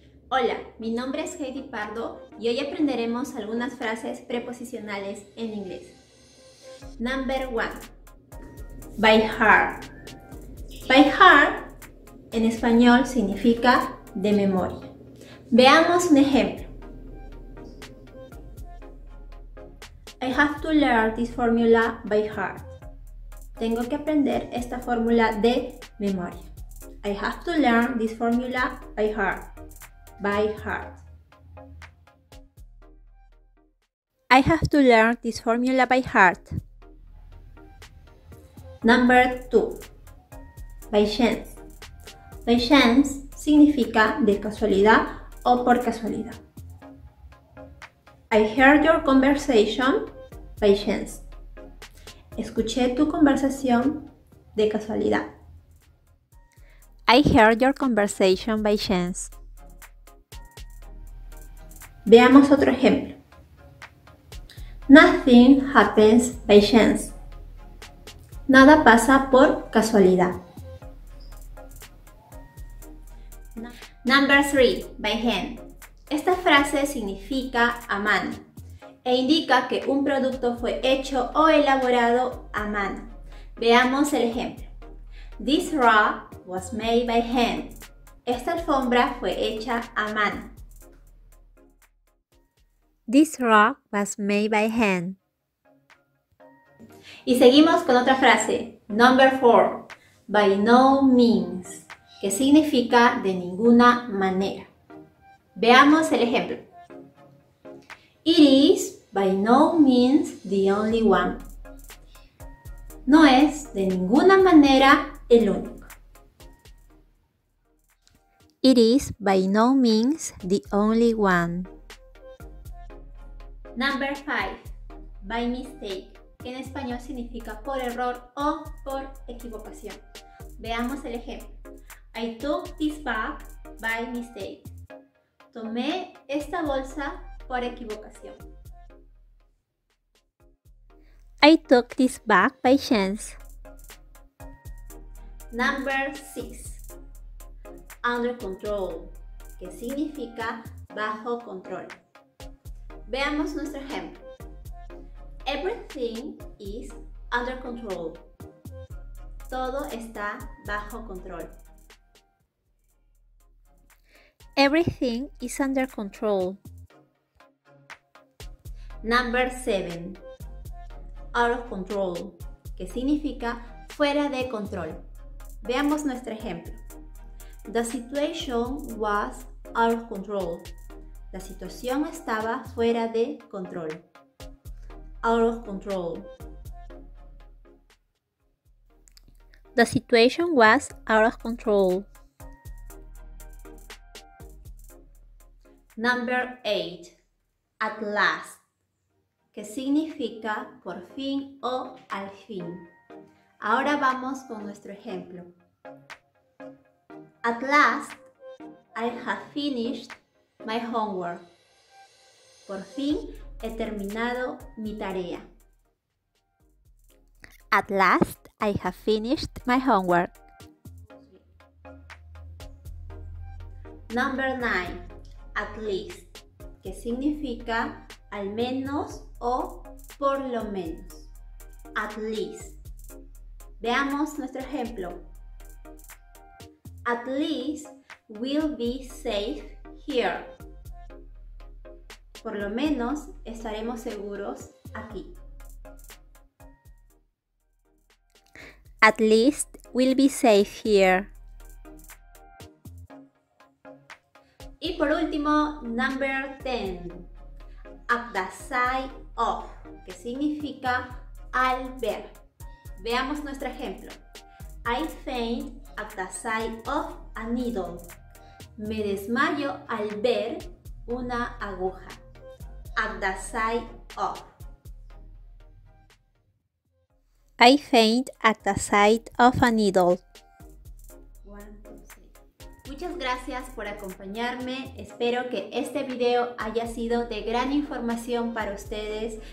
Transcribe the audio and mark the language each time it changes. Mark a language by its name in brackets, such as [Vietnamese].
[Spanish] Hola, mi nombre es Heidi Pardo y hoy aprenderemos algunas frases preposicionales en inglés. [English] Number one, by heart. By heart [Spanish] en español significa de memoria. Veamos un ejemplo. [English] I have to learn this formula by heart. [Spanish] Tengo que aprender esta fórmula de memoria. [English] I have to learn this formula by heart. By heart. I have to learn this formula by heart. Number two. By chance. By chance [Spanish] significa de casualidad o por casualidad. [English] I heard your conversation by chance. [Spanish] Escuché tu conversación de casualidad. [English] I heard your conversation by chance. [Spanish] Veamos otro ejemplo. [English] Nothing happens by chance. [Spanish] Nada pasa por casualidad. [English] Number three, by hand. [Spanish] Esta frase significa a mano e indica que un producto fue hecho o elaborado a mano. Veamos el ejemplo. [English] This rug was made by hand. [Spanish] Esta alfombra fue hecha a mano. [English] This rug was made by hand. [Spanish] Y seguimos con otra frase. [English] Number four. By no means. [Spanish] Que significa de ninguna manera. Veamos el ejemplo. [English] It is by no means the only one. [Spanish] No es de ninguna manera el único. [English] It is by no means the only one. Number five, by mistake, [Spanish] que en español significa por error o por equivocación. Veamos el ejemplo. [English] I took this bag by mistake. [Spanish] Tomé esta bolsa por equivocación. [English] I took this bag by chance. Number six, under control, [Spanish] que significa bajo control. Veamos nuestro ejemplo. [English] Everything is under control. [Spanish] Todo está bajo control. [English] Everything is under control. Number seven. Out of control, [Spanish] que significa fuera de control. Veamos nuestro ejemplo. [English] The situation was out of control. [Spanish] La situación estaba fuera de control. [English] Out of control. The situation was out of control. Number eight. At last. [Spanish] Que significa por fin o al fin. Ahora vamos con nuestro ejemplo. [English] At last, I have finished my homework. [Spanish] Por fin he terminado mi tarea. [English] At last, I have finished my homework. Number nine, at least, [Spanish] que significa al menos o por lo menos. [English] At least. [Spanish] Veamos nuestro ejemplo. [English] At least we'll be safe here. [Spanish] Por lo menos estaremos seguros aquí. [English] At least we'll be safe here. [Spanish] Y por último, [English] number 10. At the side of, [Spanish] que significa al ver. Veamos nuestro ejemplo. [English] I faint at the side of a needle. [Spanish] Me desmayo al ver una aguja. [English] At the side of. I faint at the side of a needle. One, two, three. [Spanish] Muchas gracias. gracias por acompañarme. Espero que este video haya sido de gran información para ustedes.